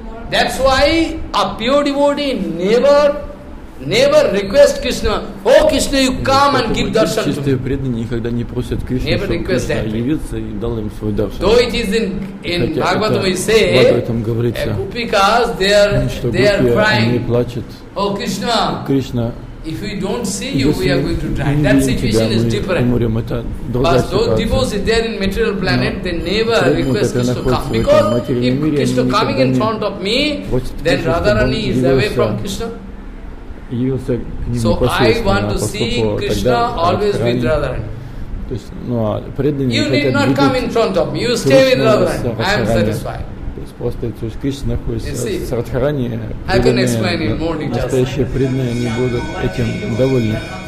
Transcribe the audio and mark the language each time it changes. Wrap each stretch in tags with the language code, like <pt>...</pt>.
<en>That's why a pure devotee never request Krishna. Oh, Krishna, you come and give darshan.</en> <ru>Чистые преданные никогда не просят Кришну, чтобы Кришна явился и дал им свой даршан.</ru> <en>Though it is in Bhagavatam, we say, because they are crying. Oh, Krishna. If we don't see you, we are going to die. That situation is different. But those devotees there in material planet, they never request Krishna to come. Because if Krishna coming in front of me, then Radharani is away from Krishna. So I want to see Krishna always with Radharani. You need not come in front of me. You stay with Radharani. I am satisfied.</en> <ru>Просто то есть Кришна находится с Радхарани, настоящие преданные не будут этим довольны.</ru>